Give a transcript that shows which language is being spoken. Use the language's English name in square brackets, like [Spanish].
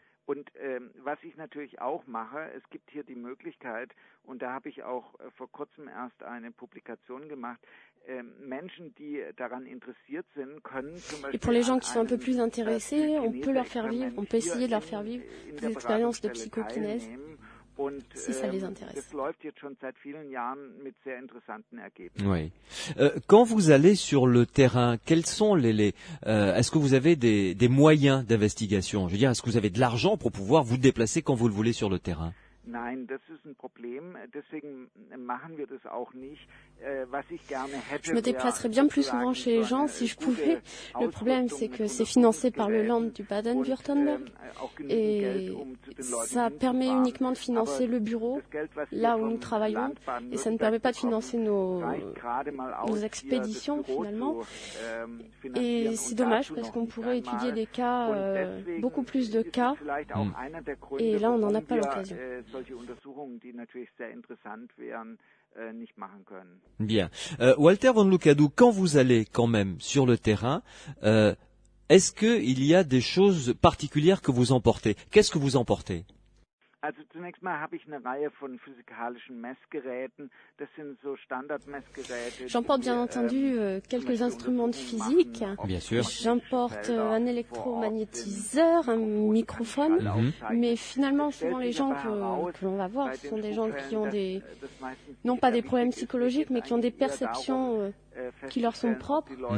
[German] Und was ich natürlich auch mache, es gibt hier die Möglichkeit, und da habe ich auch vor kurzem erst eine Publikation gemacht, Menschen, die daran interessiert sind, können zum Beispiel. [French] Et pour les gens qui sont un peu plus intéressés, on peut leur faire vivre, on peut essayer de leur faire vivre des expériences de psychokinèse. si ça les intéresse. [German] Das läuft jetzt schon seit vielen Jahren mit sehr interessanten Ergebnissen. [French] Oui. Quand vous allez sur le terrain, quels sont les est-ce que vous avez des moyens d'investigation? Je veux dire, est-ce que vous avez de l'argent pour pouvoir vous déplacer quand vous le voulez sur le terrain? [German] Nein, das ist ein Problem. Deswegen machen wir das auch nicht. Was ich gerne hätte, [French] je me déplacerais bien plus souvent chez les gens si je pouvais. Le problème, c'est que c'est financé par le Land du Baden-Württemberg et ça permet uniquement de financer le bureau là où nous travaillons et ça ne permet pas de financer nos expéditions finalement. Et c'est dommage parce qu'on pourrait étudier des cas, beaucoup plus de cas, et là on n'en a pas l'occasion. [German] Solche Untersuchungen, die natürlich sehr interessant wären, nicht machen können. [French] Bien. Walter von Lukadou, quand vous allez quand même sur le terrain, est-ce qu'il y a des choses particulières que vous emportez? Qu'est-ce que vous emportez? [German] Also zunächst mal habe ich eine Reihe von physikalischen Messgeräten. Das sind so Standardmessgeräte. [French] J'emporte bien entendu quelques instruments de physique. Bien sûr. J'emporte un électromagnétiseur, un microphone. Mm-hmm. Mais finalement, souvent les gens que l'on va voir, ce sont des gens qui ont des, non pas des problèmes psychologiques, mais qui ont des perceptions qui leur sont propres.